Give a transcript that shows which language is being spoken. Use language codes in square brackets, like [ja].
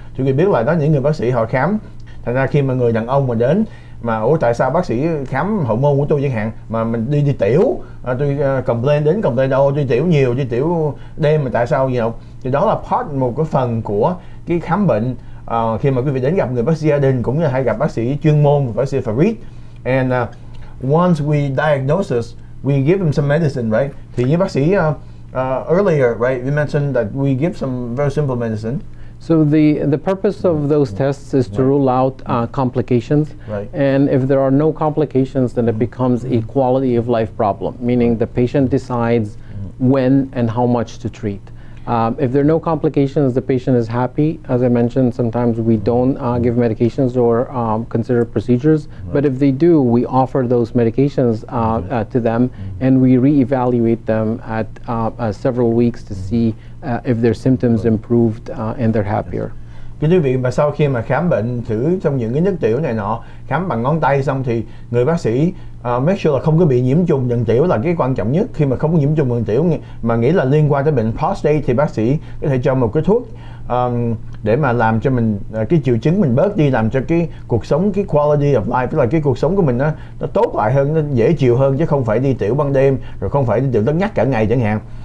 [vi] Thì quý vị biết là đó những người bác sĩ họ khám. Thành ra khi mà người đàn ông mà đến mà ủa tại sao bác sĩ khám hậu môn của tôi chẳng hạn, mà mình đi tiểu, tôi complain đến complain đâu, đi tiểu nhiều, đi tiểu đêm mà tại sao gì không? Thì đó là part, một cái phần của cái khám bệnh khi mà quý vị đến gặp người bác sĩ gia đình, cũng như hay gặp bác sĩ chuyên môn, bác sĩ Farid. [en] And once we diagnosis, we give him some medicine, right? [vi] Thì như bác sĩ [en] earlier, right, we mentioned that we give some very simple medicine. So the purpose of those tests is to rule out complications. Right. And if there are no complications, then it becomes a quality of life problem, meaning the patient decides when and how much to treat. If there are no complications, the patient is happy. As I mentioned, sometimes we don't give medications or consider procedures. Right. But if they do, we offer those medications to them, and we reevaluate them at several weeks to see if their symptoms improved and they're happier. [vi] Kính thưa quý vị, mà sau khi mà khám bệnh thử trong những cái nước tiểu này nọ, khám bằng ngón tay xong thì người bác sĩ make sure là không có bị nhiễm trùng đường tiểu là cái quan trọng nhất. Khi mà không có nhiễm trùng đường tiểu mà nghĩ là liên quan tới bệnh prostate thì bác sĩ có thể cho một cái thuốc để mà làm cho mình cái triệu chứng mình bớt đi, làm cho cái cuộc sống, cái quality of life, tức là cái cuộc sống của mình nó tốt lại hơn, nó dễ chịu hơn, chứ không phải đi tiểu ban đêm, rồi không phải đi tiểu tất nhắc cả ngày chẳng hạn.